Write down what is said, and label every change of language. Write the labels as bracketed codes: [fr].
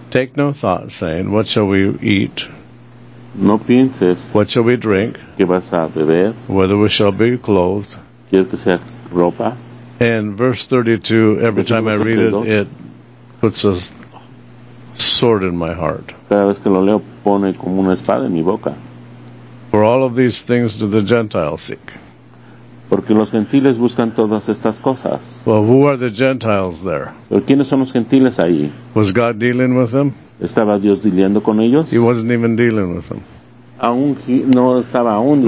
[en] Take no thought, saying, what shall we eat? [es] No pienses. [en] What shall we drink? [es] ¿Qué vas a beber? [en] Whether we shall be clothed. [es] ¿Quieres que sea ropa? [en] And verse 32, every time I read it, it puts a sword in my heart. [es] Cada vez que lo leo, pone como una espada en mi boca. [en] For all of these things do the Gentiles seek. [es] Porque los gentiles buscan todas estas cosas. [en] Well, who are the Gentiles there? [es] ¿Pero quiénes son los gentiles ahí? [en] Was God dealing with them? [es] ¿Estaba Dios lidiando con ellos? [en] He wasn't even dealing with them. [es] Aún, no estaba aún